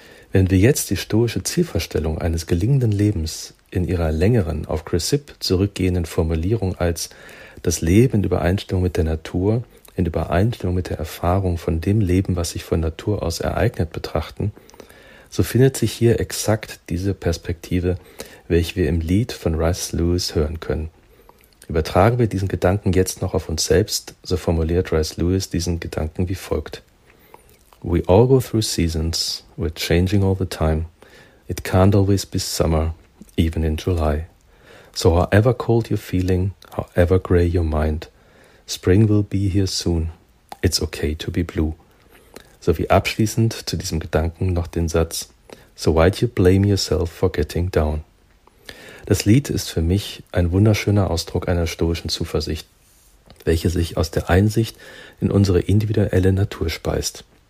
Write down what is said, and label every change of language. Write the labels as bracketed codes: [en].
[de] Wenn wir jetzt die stoische Zielvorstellung eines gelingenden Lebens in ihrer längeren, auf Chrysipp zurückgehenden Formulierung als das Leben in Übereinstimmung mit der Natur, in Übereinstimmung mit der Erfahrung von dem Leben, was sich von Natur aus ereignet, betrachten, so findet sich hier exakt diese Perspektive, welche wir im Lied von Rice Lewis hören können. Übertragen wir diesen Gedanken jetzt noch auf uns selbst, so formuliert Rice Lewis diesen Gedanken wie folgt. [en] We all go through seasons, we're changing all the time. It can't always be summer, even in July. So however cold you're feeling, however gray your mind, spring will be here soon. It's okay to be blue. [de] So wie abschließend zu diesem Gedanken noch den Satz, [en] so why do you blame yourself for getting down? [de] Das Lied ist für mich ein wunderschöner Ausdruck einer stoischen Zuversicht. welche sich aus der Einsicht in unsere individuelle Natur speist.